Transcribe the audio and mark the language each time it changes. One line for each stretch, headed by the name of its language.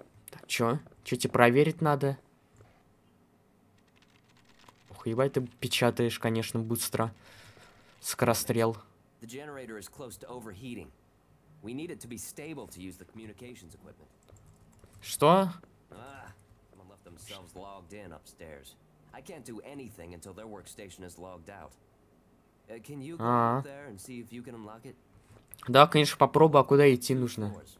Russian: Так, чё? Чё тебе проверить надо? Ох, ебать, ты печатаешь, конечно, быстро. Скорострел.
English: The generator is close to overheating. We need it to be stable to use the communications equipment.
Russian: Что?
English: Someone left themselves logged in upstairs. I can't do anything until their workstation is logged out. Can you go up there and see if you can unlock it?
Russian: Да, конечно, попробую, а куда идти нужно?